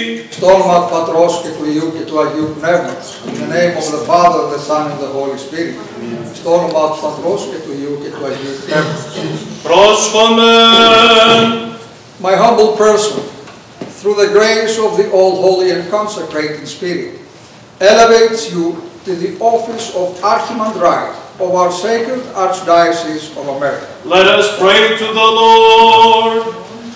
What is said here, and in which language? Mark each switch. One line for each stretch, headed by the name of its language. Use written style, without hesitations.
Greek: Στόλμα του Πατρός και του Υιού και του Αγίου Πνεύματος.
English: In the name of the Father, the Son, and the Holy Spirit.
Greek: Στόλμα του Πατρός και του Υιού και του Αγίου Πνεύματος. Πρόσχομεν.
English: My humble person, through the grace of the all holy and consecrated Spirit, elevates you to the office of Archimandrite of our sacred Archdiocese of America. Let us pray to the Lord.